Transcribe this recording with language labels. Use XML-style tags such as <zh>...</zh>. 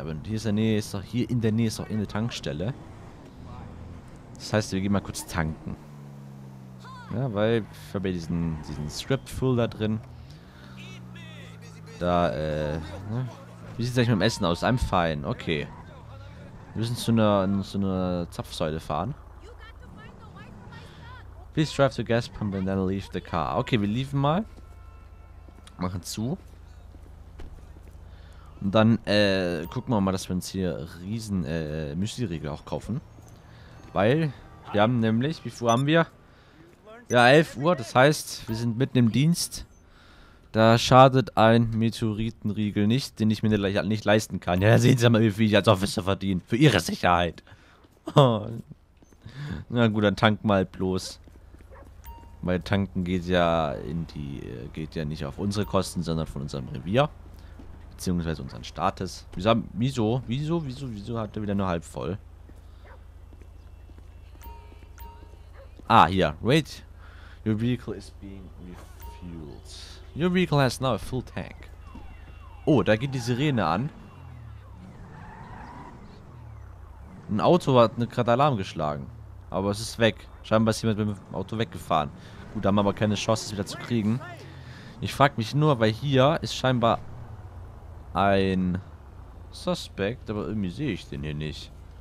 <de>Aber hier ist in der Nähe, ist doch hier in der Nähe ist doch eine Tankstelle. Das heißt, wir gehen mal kurz tanken. Ja, weil ich habe ja diesen Scrap-Fuel da drin. Da, ne? Wie sieht es eigentlich mit dem Essen aus?</de> <en>I'm fine.</en> <de>Okay. Wir müssen zu einer Zapfsäule fahren.</de> <en>Please drive the gas pump and then leave the car.</en> <de>Okay, wir liefen mal. Machen zu. Und dann gucken wir mal, dass wir uns hier riesen Müsli-Riegel auch kaufen. Weil wir haben nämlich, wie früh haben wir? Ja, 11 Uhr. Das heißt, wir sind mitten im Dienst. Da schadet ein Meteoritenriegel nicht, den ich mir nicht leisten kann. Ja, sehen Sie mal, wie viel ich als Officer verdiene. Für Ihre Sicherheit. Na gut, dann tank mal bloß. Weil tanken geht ja nicht auf unsere Kosten, sondern von unserem Revier. Beziehungsweise unseren Status. Wieso hat er wieder nur halb voll? Ah, hier.</de> <en>Wait. Your vehicle is being refueled. Your vehicle has now a full tank.</en> <de>Oh, da geht die Sirene an. Ein Auto hat gerade Alarm geschlagen. Aber es ist weg. Scheinbar ist jemand mit dem Auto weggefahren. Gut, da haben wir aber keine Chance, es wieder zu kriegen. Ich frag mich nur, weil hier ist scheinbar ein Suspect, aber irgendwie sehe ich den hier nicht.</de>